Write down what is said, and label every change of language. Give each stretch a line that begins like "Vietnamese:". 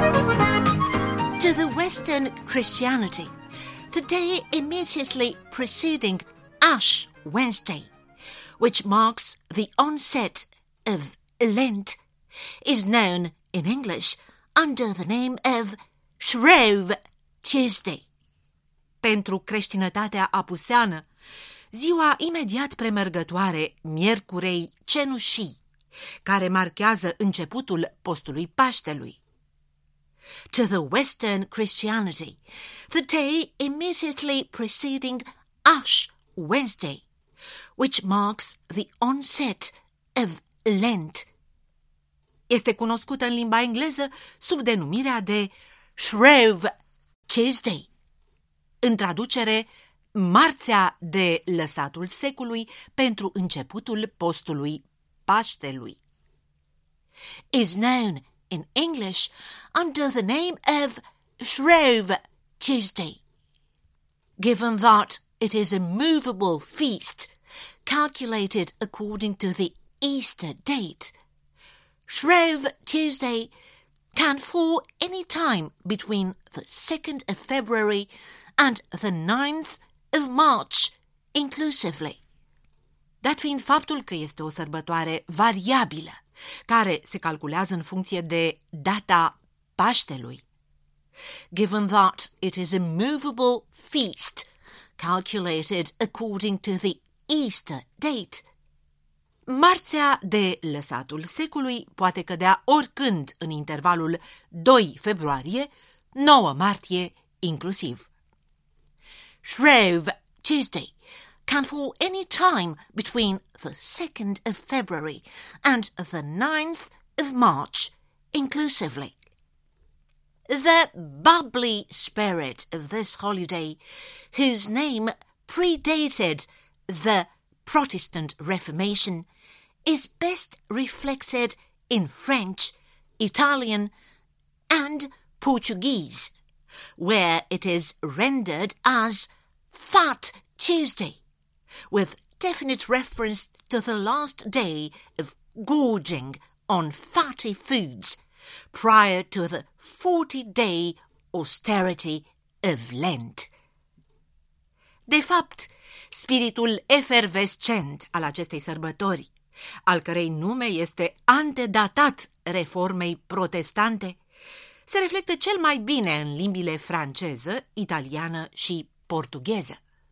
English: To the Western Christianity, the day immediately preceding Ash Wednesday, which marks the onset of Lent, is known in English under the name of Shrove Tuesday.
Romanian: Pentru creștinătatea apuseană, ziua imediat premergătoare Miercurei Cenușii, care marchează începutul postului Paștelui.
English: To the Western Christianity, the day immediately preceding Ash Wednesday, which marks the onset of lent.
Romanian: Este cunoscută în limba engleză sub denumirea de Shrove Tuesday. În traducere, marțea de lăsatul secului pentru începutul postului Paștelui.
English: Is known in English under the name of Shrove Tuesday. Given that it is a movable feast calculated according to the Easter date, Shrove Tuesday can fall any time between the 2nd of February and the 9th of March, inclusively.
Romanian: Dat fiind faptul că este o sărbătoare variabilă, care se calculează în funcție de data Paștelui.
English: Given that it is a movable feast calculated according to the Easter date,
Romanian: marțea de lăsatul secului poate cădea oricând în intervalul 2 februarie, 9 martie inclusiv.
English: Shrove Tuesday can fall any time between the 2nd of February and the 9th of March inclusively. The bubbly spirit of this holiday, whose name predated the Protestant Reformation, is best reflected in French, Italian, and Portuguese, where it is rendered as Fat Tuesday, with definite reference to the last day of gorging on fatty foods prior to the 40-day austerity of Lent.
Romanian: De fapt, spiritul efervescent al acestei sărbători, al cărei nume este antedatat reformei protestante, se reflectă cel mai bine în limbile franceză, italiană și portugheză.